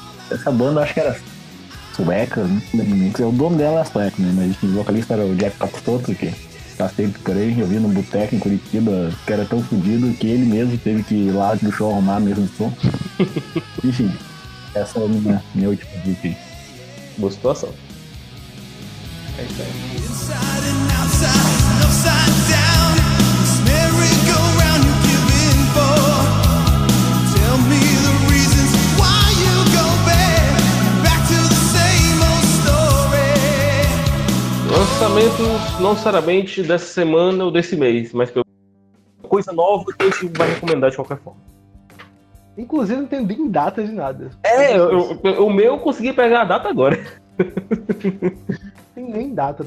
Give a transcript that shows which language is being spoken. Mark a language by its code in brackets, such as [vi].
[pt] Essa banda acho que era sueca, né? O dono dela é sueco, né? Mas o vocalista era o Jeff Capitoto, que tá sempre por aí. Eu vi num boteco em Curitiba que era tão fodido que ele mesmo teve que ir lá do show arrumar mesmo o som. Enfim. Essa é a minha última dica. Boa situação. É isso aí. [en] Inside and outside, upside down. This merry-go-round you're giving for. Tell me the reasons why you go back to the same old story. [pt] Lançamentos não necessariamente dessa semana ou desse mês, mas que eu... coisa nova que a gente vai recomendar de qualquer forma. Inclusive, não tem nem data de nada. É, o meu eu consegui pegar a data agora. Tem nem data.